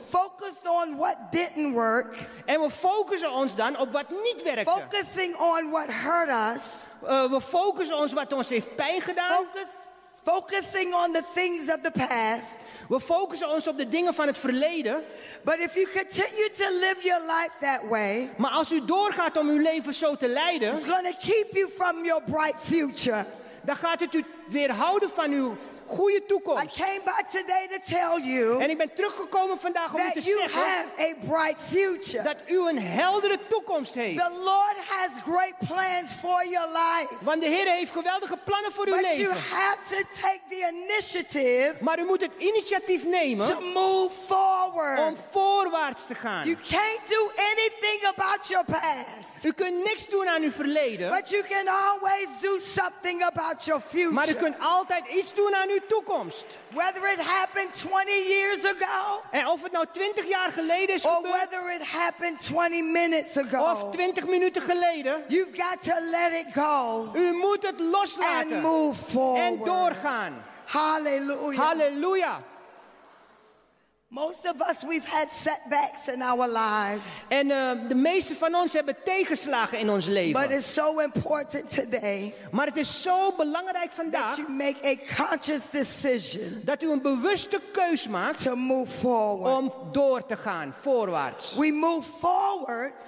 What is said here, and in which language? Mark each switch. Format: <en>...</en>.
<en>Focused on what didn't work.</en> <nl>En we focussen ons dan op wat niet werkte.</nl> <en>Focusing on what hurt us.</en> <nl>We focussen ons wat ons heeft pijn gedaan.</nl> <en>Focusing on the things of the past.</en> <nl>We focussen ons op de dingen van het verleden.</nl> <en>But if you continue to live your life that way,</en> <nl>maar als u doorgaat om uw leven zo te leiden,</nl> <en>it's gonna keep you from your bright future.</en> <nl>Dan gaat het u weerhouden van uw goede toekomst.</nl> <en>I came by today to tell you,</en> <nl>en ik ben teruggekomen vandaag om u te zeggen,</nl> <en>that you have a bright future.</en> <nl>Dat u een heldere toekomst heeft.</nl> <en>The Lord has great plans for your life.</en> <nl>Want de Heer heeft geweldige plannen voor uw</nl> <en>but</en> <nl>leven.</nl> <en>You have to take the initiative,</en> <nl>maar u moet het initiatief nemen</nl> <en>to move forward.</en> <nl>Om voorwaarts te gaan.</nl> <en>You can't do anything about your past.</en> <nl>U kunt niks doen aan uw verleden.</nl> <en>But you can always do something about your future.</en> <nl>Maar u kunt altijd iets doen aan uw toekomst.</nl> <en>Whether it happened 20 years ago,</en> <nl>en of het nou 20 jaar geleden is gebeurd,</nl> <en>or whether it happened 20 minutes ago,</en> <nl>of 20 minuten geleden,</nl> <en>you've got to let it go.</en> <nl>U moet het loslaten</nl> <en>and move forward.</en> <nl>En doorgaan.</nl> <en>Hallelujah.</en> <nl>Hallelujah.</nl> <en>Most of us, we've had setbacks in our lives.</en> <nl>En de meeste van ons hebben tegenslagen in ons leven.</nl> <en>But it's so important today.</en> <nl>Maar het is zo belangrijk vandaag.</nl> <en>That you make a conscious decision.</en> <nl>Dat u een bewuste keus maakt.</nl> <en>To move forward.</en> <nl>Om door te gaan, voorwaarts.</nl> <en>We move forward.</en>